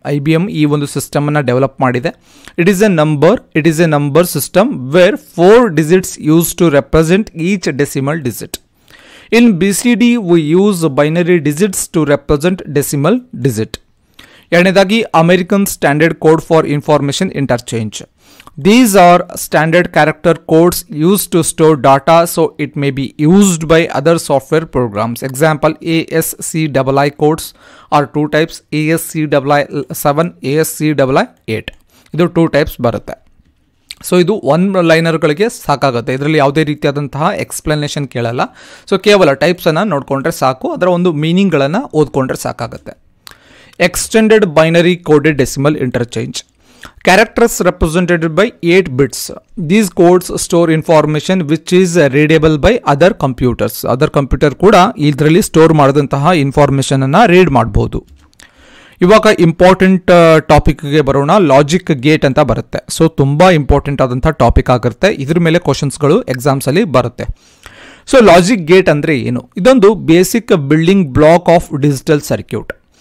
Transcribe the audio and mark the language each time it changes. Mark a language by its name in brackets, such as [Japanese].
[English] IBM [Kannada] ಈ ಒಂದು ಸಿಸ್ಟಮನ್ನು develop ಮಾಡಿದೆ. [English] It is a number system where 4 digits use to represent each decimal digit. In BCD we use binary digits to represent decimal digit. ಎರಡನೇದಾಗಿ American standard code for information interchange. These are standard character codes used to store data, so it may be used by other software programs. Example, ASCII codes are 2 types, ASCII 7, ASCII 8. [Kannada] ಇದು 2 types ಬರುತ್ತೆ. So ಇದು 1-liner ಸಾಕಾಗುತ್ತೆ, ಇದರಲ್ಲಿ ಯಾವುದೇ ರೀತಿಯಾದಂತಹ explanation ಕೇಳಲ್ಲ. So ಕೇವಲ ಟೈಪ್ಸನ್ನು ನೋಡಿಕೊಂಡ್ರೆ ಸಾಕು, ಅದರ ಒಂದು ಮೀನಿಂಗ್ಗಳನ್ನು ಓದ್ಕೊಂಡ್ರೆ ಸಾಕಾಗುತ್ತೆ. [English] Extended binary coded decimal interchange. Characters represented by 8 bits. These codes store information which is readable by other computers. [Kannada] Other computer ಕೂಡ ಇದರಲ್ಲಿ ಸ್ಟೋರ್ ಮಾಡಿದಂತಹ ಇನ್ಫಾರ್ಮೇಷನ್ ಅನ್ನು ರೀಡ್ ಮಾಡ್ಬೋದು. ಇವಾಗ ಇಂಪಾರ್ಟೆಂಟ್ ಟಾಪಿಕ್ಗೆ ಬರೋಣ, ಲಾಜಿಕ್ ಗೇಟ್ ಅಂತ ಬರುತ್ತೆ. ಸೊ ತುಂಬ ಇಂಪಾರ್ಟೆಂಟ್ ಆದಂಥ ಟಾಪಿಕ್ ಆಗಿರುತ್ತೆ, ಇದ್ರ ಮೇಲೆ ಕ್ವೆಶನ್ಸ್ಗಳು ಎಕ್ಸಾಮ್ಸಲ್ಲಿ ಬರುತ್ತೆ. ಸೊ ಲಾಜಿಕ್ ಗೇಟ್ ಅಂದರೆ ಏನು? ಇದೊಂದು [English] Basic building block of digital circuit.